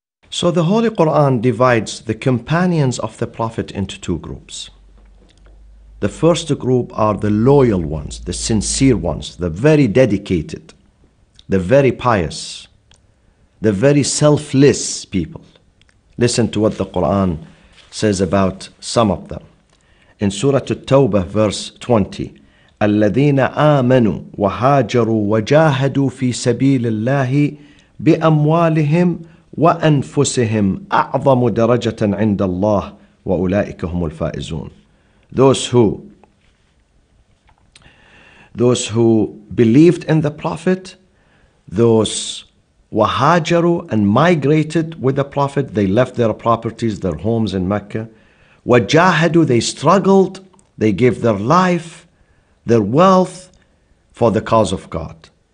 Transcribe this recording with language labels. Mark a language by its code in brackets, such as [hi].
[en] So the Holy Quran divides the companions of the Prophet into two groups. The first group are the loyal ones, the sincere ones, the very dedicated, the very pious, the very selfless people. Listen to what the Quran says about some of them. In Surah At-Tawbah, verse 20, [ar] الَّذِينَ آمَنُوا وَهَاجَرُوا وَجَاهَدُوا فِي سَبِيلِ اللَّهِ بِأَمْوَالِهِمْ وَأَنفُسِهِمْ أَعْظَمُ دَرَجَةً عِنْدَ اللَّهِ وَأُولَٰئِكَ هُمُ الْفَائِزُونَ. [en] Those who believed in the Prophet, those وَهَاجَرُوا and migrated with the Prophet, they left their properties, their homes in Mecca. وَجَاهَدُوا, they struggled, they gave their life, their wealth for the cause of God.